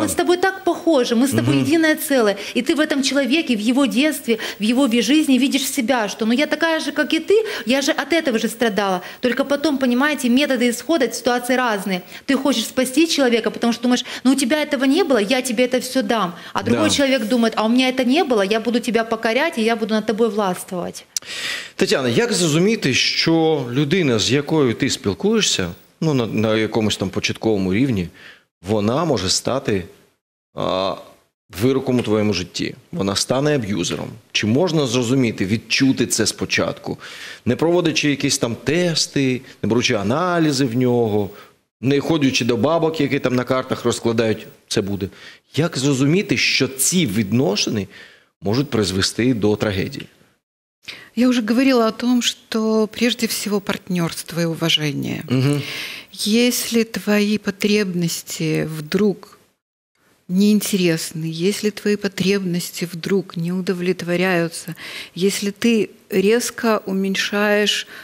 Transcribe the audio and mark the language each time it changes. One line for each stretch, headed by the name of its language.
Russian: Мы с тобой так похожи, мы с тобой угу. Единое целое. И ты в этом человеке, в его детстве, в его жизни видишь себя, что ну я такая же, как и ты, я же от этого же страдала. Только потом, понимаете, методы исхода от ситуации разные. Ты хочешь спасти человека, потому что думаешь, ну у тебя этого не было, я тебе это все дам. А другой да. Человек думает, а у меня это не было, я буду тебя покорять, и я буду над тобой властвовать.
Ukrainian: Тетяна, як зрозуміти, що людина, з якою ти спілкуєшся, ну, на якомусь там початковому рівні, вона може стати вироком у твоєму житті? Вона стане аб'юзером? Чи можна зрозуміти, відчути це спочатку, не проводячи якісь там тести, не беручи аналізи в нього, не ходячи до бабок, які там на картах розкладають, це буде? Як зрозуміти, що ці відносини можуть призвести до трагедії?
Russian: Я уже говорила о том, что прежде всего партнерство и уважение. Угу. Если твои потребности вдруг неинтересны, если твои потребности вдруг не удовлетворяются, если ты резко уменьшаешь